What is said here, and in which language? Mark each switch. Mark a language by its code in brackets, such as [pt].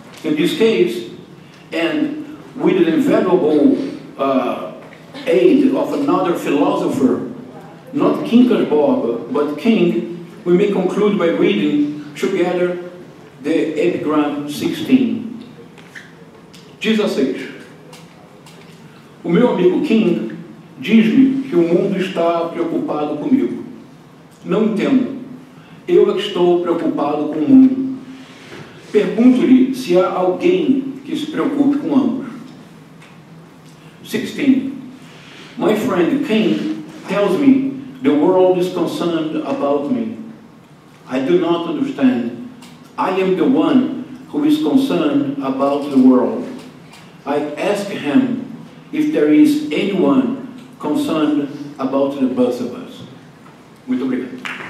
[en] In this case, and with the invaluable aid of another philosopher, not Kinkelbob, but King, we may conclude by reading together the epigram 16. [pt] Diz assim: O meu amigo King diz-me que o mundo está preocupado comigo. Não entendo. Eu é que estou preocupado com o mundo. Pergunto-lhe se há alguém que se preocupe com ambos. 16. [en] My friend King tells me the world is concerned about me. I do not understand. I am the one who is concerned about the world. I ask him if there is anyone concerned about the both of us. Muito obrigado.